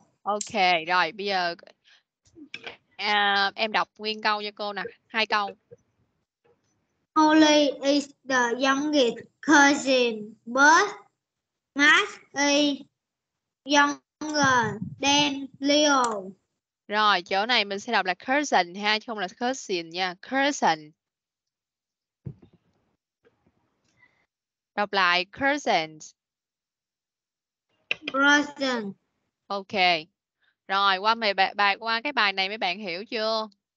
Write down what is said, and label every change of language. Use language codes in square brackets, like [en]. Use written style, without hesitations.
[vi] Ok, rồi bây giờ em đọc nguyên câu cho cô nè, hai câu. [en] Holy is the youngest cousin, but Max is younger than Leo. [vi] Rồi, chỗ này mình sẽ đọc là cousin ha, chứ không là cousin nha. [en] Cousin. [vi] Đọc lại cousins. [en] Cousin. Ok. [vi] Rồi, qua cái bài này mấy bạn hiểu chưa?